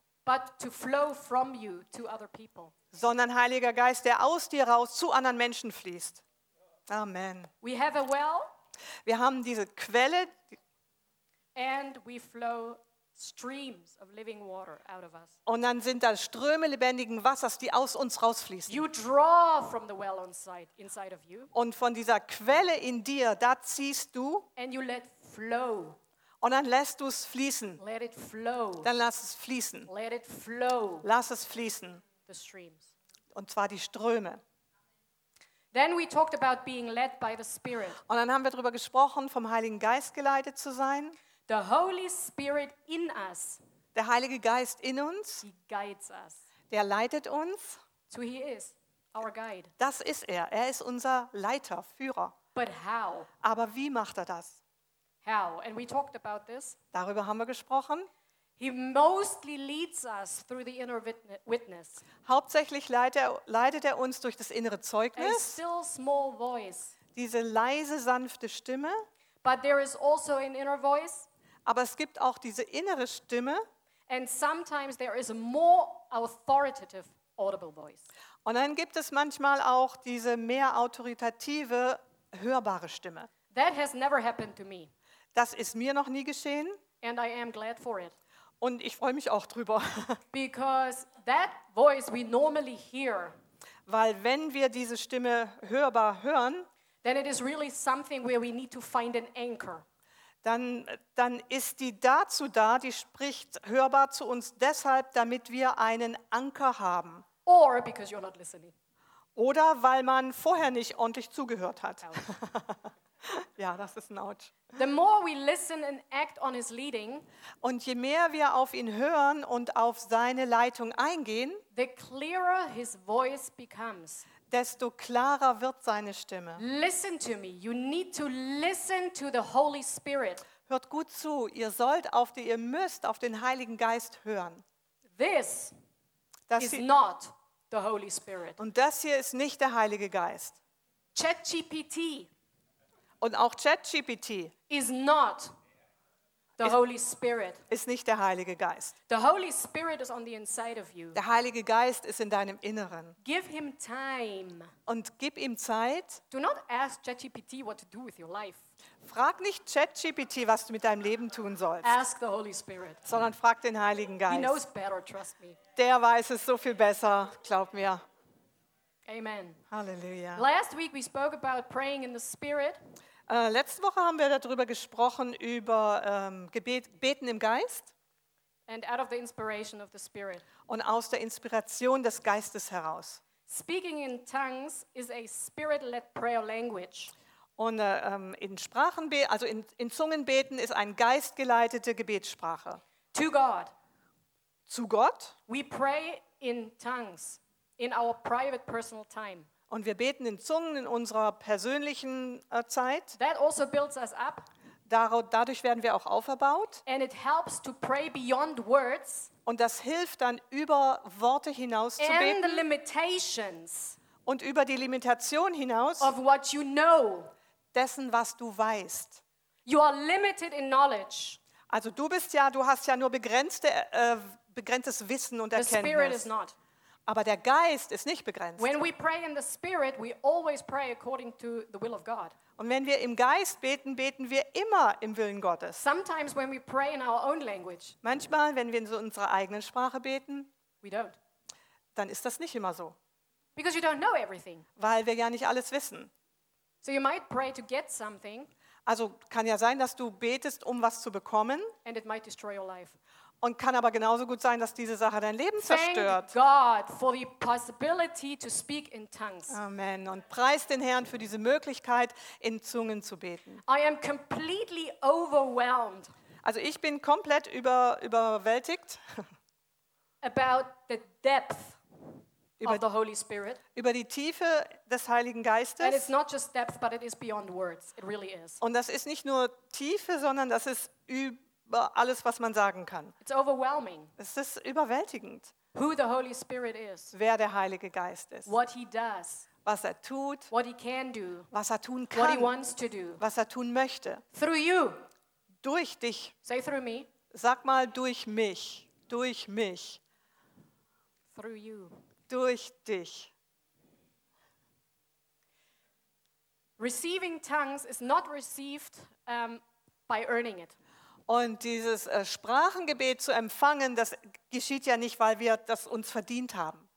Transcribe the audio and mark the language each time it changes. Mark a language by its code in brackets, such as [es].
[en] But to flow from you to other people. [de] Sondern Heiliger Geist, der aus dir raus zu anderen Menschen fließt. Amen. [en] We have a well. [de] Wir haben diese Quelle. [en] And we flow streams of living water out of us. [de] Und dann sind da Ströme lebendigen Wassers, die aus uns rausfließen. [en] You draw from the well inside of you. [de] Und von dieser Quelle in dir, da ziehst du. [en] And you let flow. [de] Und dann lässt du es fließen. [en] Let it flow. [de] Dann lass es fließen. [en] Let it flow. [de] Lass es fließen. [en] The streams. [de] Und zwar die Ströme. [en] Then we talked about being led by the Spirit. [de] Und dann haben wir darüber gesprochen, vom Heiligen Geist geleitet zu sein. [en] The Holy Spirit in us. [de] Der Heilige Geist in uns. [en] He guides us. [de] Der leitet uns. [en] So he is our guide. [de] Das ist er. Er ist unser Leiter, Führer. [en] But how? [de] Aber wie macht er das? [en] How? And we talked about this. [de] Darüber haben wir gesprochen. [en] He mostly leads us through the inner witness. [de] Hauptsächlich leitet er uns durch das innere Zeugnis. [en] A still small voice. [de] Diese leise, sanfte Stimme. [en] But there is also an inner voice. [de] Aber es gibt auch diese innere Stimme. [en] And sometimes there is a more authoritative audible voice. [de] Und dann gibt es manchmal auch diese mehr autoritative hörbare Stimme. [en] That has never happened to me. [de] Das ist mir noch nie geschehen. [en] And I am glad for it. [de] Und ich freue mich auch drüber. [en] Because that voice we normally hear. [de] Weil wenn wir diese Stimme hörbar hören, [en] then it is really something where we need to find an anchor. [de] Dann ist die dazu da, die spricht hörbar zu uns deshalb, damit wir einen Anker haben. [en] Or because you're not listening. [de] Oder weil man vorher nicht ordentlich zugehört hat. Ja, das ist ein Ouch. [en] The more we listen and act on his leading, [de] und je mehr wir auf ihn hören und auf seine Leitung eingehen, [en] the clearer his voice becomes. [de] desto klarer wird seine Stimme. [en] Listen to me. You need to listen to the Holy Spirit. [de] Hört gut zu. Ihr müsst auf den Heiligen Geist hören. [en] This is not the Holy Spirit. [de] Und das hier ist nicht der Heilige Geist. [en] ChatGPT. [de] Und auch ChatGPT [en] is not the Holy Spirit. [de] Ist nicht der Heilige Geist. [en] The Holy Spirit is on the inside of you. [de] Der Heilige Geist ist in deinem Inneren. [en] Give him time. [de] Und gib ihm Zeit. [en] Do not ask ChatGPT what to do with your life. [de] Frag nicht ChatGPT, was du mit deinem Leben tun sollst. [en] Ask the Holy Spirit. [de] Sondern frag den Heiligen Geist. [en] He knows better, trust me. [de] Der weiß es so viel besser, glaub mir. Amen. Halleluja. [en] Last week we spoke about praying in the Spirit. [de] Letzte Woche haben wir darüber gesprochen, über Beten im Geist. [en] And out of the inspiration of the Spirit. [de] Und aus der Inspiration des Geistes heraus. [en] Speaking in tongues is a spirit-led prayer language. [de] Und in Sprachen, also in Zungen beten, ist eine geistgeleitete Gebetssprache. [en] To God. [de] Zu Gott. [en] We pray in tongues in our private personal time. [de] Und wir beten in Zungen in unserer persönlichen Zeit. [en] That also builds us up. [de] Dadurch werden wir auch auferbaut. [en] And it helps to pray beyond words. [de] Und das hilft dann, über Worte hinaus zu beten. [en] And the limitations. [de] Und über die Limitation hinaus. [en] Of what you know. [de] Dessen, was du weißt. [en] You are limited in knowledge. [de] Also du hast ja nur begrenztes Wissen und Erkenntnis. [en] The Spirit is not. [de] Aber der Geist ist nicht begrenzt. [en] When we pray in the Spirit, we always pray according to the will of God. [de] Und wenn wir im Geist beten, beten wir immer im Willen Gottes. [en] Sometimes when we pray in our own language. [de] Manchmal, wenn wir in so unserer eigenen Sprache beten, [en] we don't. [de] Dann ist das nicht immer so. [en] Because you don't know everything. [de] Weil wir ja nicht alles wissen. [en] So you might pray to get something. [de] Also kann ja sein, dass du betest, um was zu bekommen. [en] And it might destroy your life. [de] Und kann aber genauso gut sein, dass diese Sache dein Leben zerstört. [en] Thank God for the possibility to speak in tongues. Amen. [de] Und preis den Herrn für diese Möglichkeit, in Zungen zu beten. [en] I am completely overwhelmed. [de] Also ich bin komplett überwältigt. [en] About the depth of the Holy Spirit. [de] Über die Tiefe des Heiligen Geistes. [en] And it's not just depth, but it is beyond words. It really is. [de] Und das ist nicht nur Tiefe, sondern das ist über alles, was man sagen kann. [en] It's overwhelming. [de] Es ist überwältigend. [en] Who the Holy Spirit is. [de] Wer der Heilige Geist ist. [en] What he does. [de] Was er tut. [en] What he can do. [de] Was er tun kann. [en] What he wants to do. [de] Was er tun möchte. [en] Through you. [de] Durch dich. [en] Say through me. [de] Sag mal durch mich. Durch mich. [en] Through you. [de] Durch dich. [en] Receiving tongues is not received by earning it. [de] Und dieses Sprachengebet zu empfangen, das geschieht ja nicht, weil wir das uns verdient haben.